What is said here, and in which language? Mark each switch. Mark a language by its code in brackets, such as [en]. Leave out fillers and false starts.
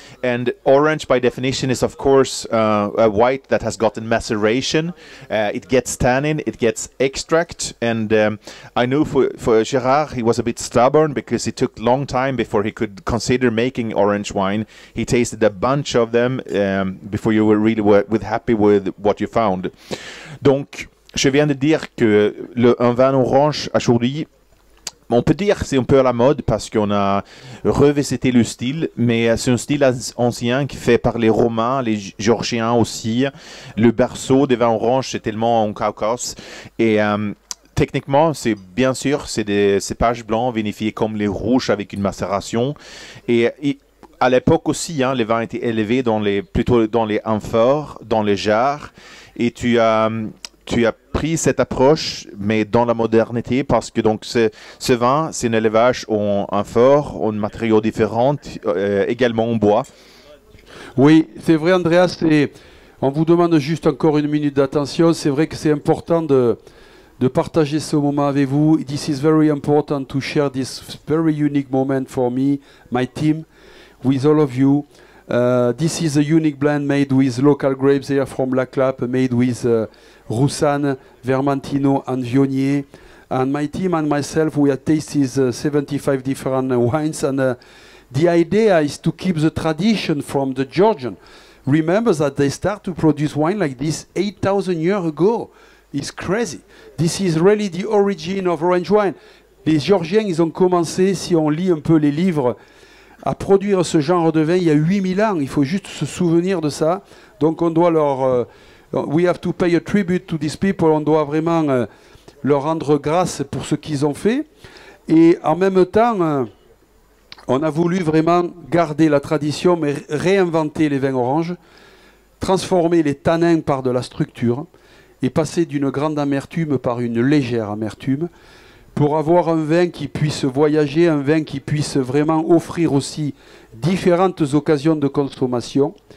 [en] And orange, by definition, is of course a white that has gotten maceration. It gets tannin, it gets extract. And I knew for Gérard, he was a bit stubborn because it took long time before he could consider making orange wine. He tasted a bunch of them before you were really happy with what you found. [fr] Donc, je viens de dire que un vin orange aujourd'hui, on peut dire que c'est un peu à la mode parce qu'on a revisité le style, mais c'est un style ancien qui fait par les Romains, les Georgiens aussi. Le berceau des vins oranges, c'est tellement en Caucase. Et techniquement, c'est bien sûr, c'est des cépages blancs vinifiés comme les rouges avec une macération. Et à l'époque aussi, hein, les vins étaient élevés plutôt dans les amphores, dans les jarres. Et tu as pris cette approche, mais dans la modernité, parce que donc ce vin, c'est un élevage en amphores, en matériaux différents, également en bois. Oui, c'est vrai, Andreas. On vous demande juste encore une minute d'attention. C'est vrai que c'est important de partager ce moment avec vous. [en] This is very important to share this very unique moment for me, my team, with all of you. This is a unique blend made with local grapes here from La Clap, made with Roussanne, Vermentino and Viognier. And my team and myself, we have tasted 75 different wines. And the idea is to keep the tradition from the Georgian. Remember that they start to produce wine like this 8,000 years ago. It's crazy. This is really the origin of orange wine. [fr] Les Georgiens, ils ont commencé, si on lit un peu les livres, à produire ce genre de vin il y a 8000 ans. Il faut juste se souvenir de ça. Donc on doit leur... [en] we have to pay a tribute to these people. [fr] On doit vraiment leur rendre grâce pour ce qu'ils ont fait. Et en même temps, on a voulu vraiment garder la tradition, mais réinventer les vins oranges, transformer les tanins par de la structure, et passer d'une grande amertume par une légère amertume, pour avoir un vin qui puisse voyager, un vin qui puisse vraiment offrir aussi différentes occasions de consommation.